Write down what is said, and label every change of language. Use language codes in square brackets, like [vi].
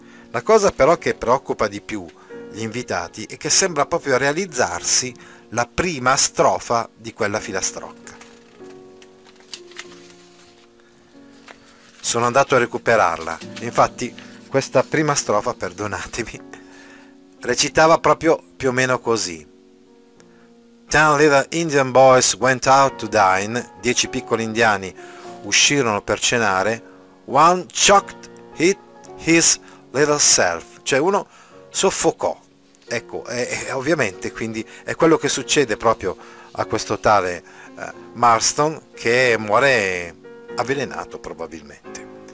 [it] La cosa però che preoccupa di più gli invitati è che sembra proprio realizzarsi la prima strofa di quella filastrocca. Sono andato a recuperarla. Infatti, questa prima strofa, perdonatemi, recitava proprio più o meno così. [en] 10 little Indian boys went out to dine. [it] 10 piccoli indiani uscirono per cenare. [en] One choked his little self, [it] cioè uno soffocò. Ecco, ovviamente quindi è quello che succede proprio a questo tale Marston, che muore avvelenato probabilmente.